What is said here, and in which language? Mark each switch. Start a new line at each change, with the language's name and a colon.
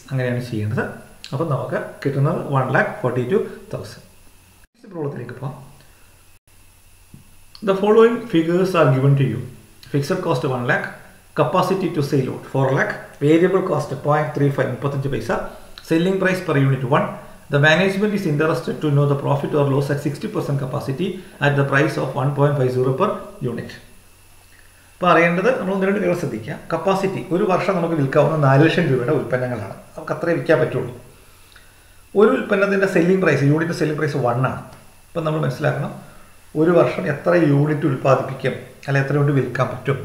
Malayalam: അങ്ങനെയാണ് ചെയ്യേണ്ടത്. അപ്പം നമുക്ക് കിട്ടുന്നത് 1,42,000. പ്രോബ്ലത്തിലേക്ക് പോവാം.
English: The following figures are given to you. Fixed cost 1,00,000, capacity to sale 4,00,000, variable cost 0.35 35 paisa, selling price per unit 1. The management is interested to know the profit or loss at 60% capacity at the price of 1.50 per unit.
Malayalam: ഇപ്പോൾ അറിയേണ്ടത് നമ്മൾ ഒന്ന് രണ്ട് കാര്യങ്ങൾ ശ്രദ്ധിക്കുക. Capacity ഒരു വർഷം നമുക്ക് വിൽക്കാവുന്ന 400,000 രൂപയുടെ ഉൽപ്പന്നങ്ങളാണ്, നമുക്ക് അത്രേ വിൽക്കാൻ പറ്റുള്ളൂ. ഒരു ഉൽപ്പന്നത്തിൻ്റെ selling price, unit selling price 1 ആണ്. അപ്പം നമ്മൾ മനസ്സിലാക്കണം ഒരു വർഷം എത്ര യൂണിറ്റ് ഉൽപ്പാദിപ്പിക്കും, അല്ലെ എത്ര യൂണിറ്റ് വിൽക്കാൻ പറ്റും.